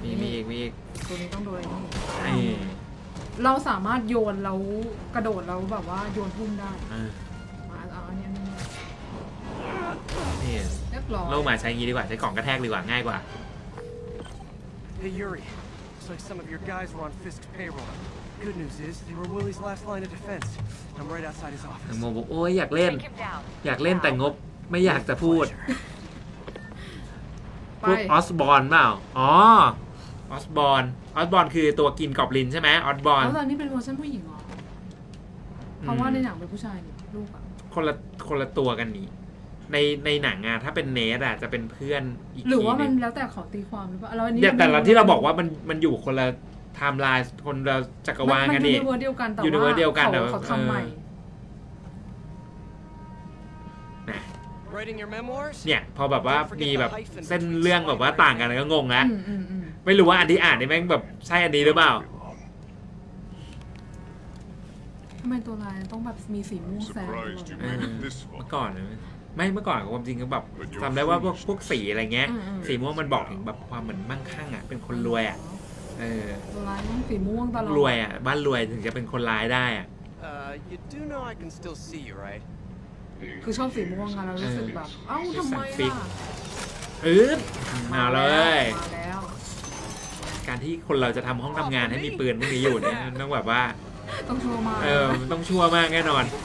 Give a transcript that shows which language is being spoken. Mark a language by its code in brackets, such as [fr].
[th] มีอีกมีอีก ตัวนี้ต้องโดน ไ อ้เราสามารถโยนแล้วกระโดดแล้วแบบว่าโยนพุ่มได้ มาอัน นี ้เ รีย บร้อยโล่มาใช้งี้ดีกว่าใช้ของกระแทกดีกว่าง่ายกว่า [en] Hey Yuri, looks like some of your guys were on Fisk's payroll. Good news is they were Willy's last line of defense. I'm right outside his office. [th] โมบอกโอ้ยอยากเล่นอยากเล่นแต่งบไม่อยากจะพูดพวกออสบอร์นเปล่าอ๋อออสบอร์นออสบอร์นคือตัวกินกอบลินใช่ไหมออสบอร์น แล้วตอนนี้เป็นเวอร์ชันผู้หญิงเหรอเพราะว่าในหนังเป็นผู้ชายนี่ลูกอะ คนละตัวกันนี่ในหนังอะถ้าเป็นเนทอะจะเป็นเพื่อนอีกทีนึง หรือว่ามันแล้วแต่ขอตีความหรือเปล่า แ ล้วอัน นี้แต่เราที่เราบอกว่ามันอยู่คนละไทม์ไลน์คนละจักรวาลกันนี่ มันอยู่ในเวอร์เดียวกันแต่ว่าอ ยู่ในเวอร์เดียวกัน แต่ว่าเขาทำใหม่นะ [en] Writing your memoirs [th] เนี่ยพอแบบว่ามีแบบเส้นเรื่องแบบว่าต่างกันก็งงนะไม่รู้ว่าอันที่อ่านนี่แม่งแบบใช่อันนี้หรือเปล่า ทำไมตัวลายต้องแบบมีสีม่วงแ สบเมื่อก่อนไม่เมื่อก่อนความจริงก็แบบทำได้ว่าพวกสีอะไรเงี้ยสีม่วงมันบอกถึงแบบความเหมือนมั่งคั่งอ่ะเป็นคนรวยอ่ะเออ ตัวร้ายต้องสีม่วงตลอด รวยอ่ะบ้านรวยถึงจะเป็นคนร้ายได้อ่ ะ [en] you do know I can still see you right [th] คือชอบสีม่วงอ่ะแล้วรู้สึกแบบเอ้าทำไม อึ๊บมาเลยการที่คนเราจะทำห้องทำงานให้มีปืนพวกนี้อยู่เนี่ยต้องแบบว่า ต้องชัวร์มาก เออต้องชัวร์มากแน่นอน